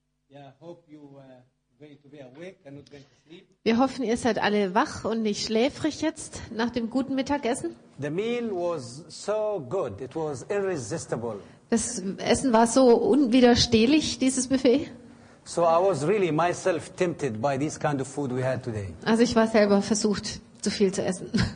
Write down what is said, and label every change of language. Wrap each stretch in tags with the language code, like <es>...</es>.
<en>Yeah, hope you going to be awake and not going to sleep.</en> <de>Wir hoffen, ihr seid alle wach und nicht schläfrig jetzt nach dem guten Mittagessen.</de> <en>The meal was so good. It was irresistible.</en> <de>Das Essen war so unwiderstehlich, dieses Buffet.</de> <en>So I was really myself tempted by this kind of food we had today.</en> <de>Also ich war selber versucht, zu viel zu essen.</de>